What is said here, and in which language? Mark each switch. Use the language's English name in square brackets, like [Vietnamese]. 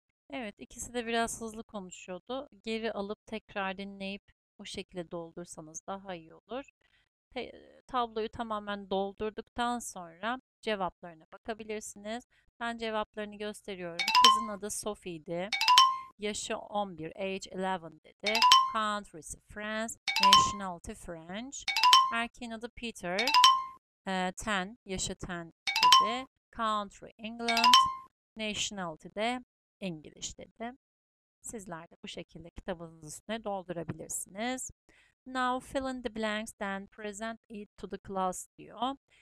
[Turkish] Evet, ikisi de biraz hızlı konuşuyordu. Geri alıp tekrar dinleyip o şekilde doldursanız daha iyi olur. Tabloyu tamamen doldurduktan sonra cevaplarına bakabilirsiniz. Ben cevaplarını gösteriyorum. Kızın adı Sophie'ydi. Yaşı 11, age 11 dedi. [English] Country France, nationality French. [Turkish] Erkeğin adı Peter. 10, yaşı 10 dedi. [English] Country England, nationality [Turkish] de İngiliz dedi. Sizler de bu şekilde kitabınızın üstüne doldurabilirsiniz. [English] Now fill in the blanks then present it to the class [Turkish] diyor.